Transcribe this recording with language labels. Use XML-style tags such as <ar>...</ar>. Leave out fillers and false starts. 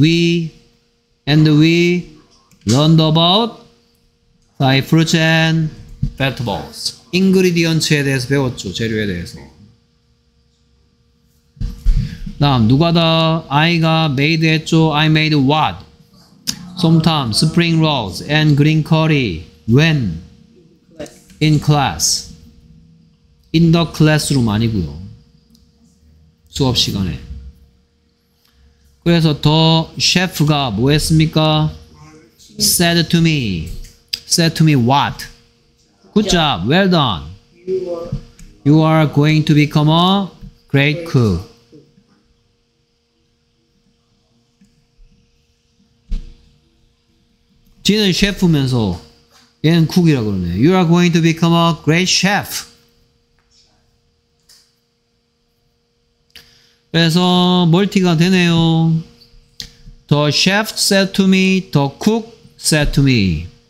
<en>We and we learned about Thai fruits and vegetables.</en> <ko>인그리디언츠에 대해서 배웠죠. 재료에 대해서. 다음 누가 더 아이가 made 했죠.</ko> <en>I made what? Sometimes spring rolls and green curry. When? In class. In the classroom</en> <ko>아니고요. 수업 시간에. 그래서 더 셰프가 뭐 했습니까?</ko> <en>Said to me. Said to me what? Good job. Well done. You are going to become a great cook.</en> <ko>지는 셰프면서 얘는 쿡이라 그러네.</ko> <en>You are going to become a great chef.</en> <ko>그래서 멀티가 되네요.</ko> <en>The chef said to me, the cook said to me.</en>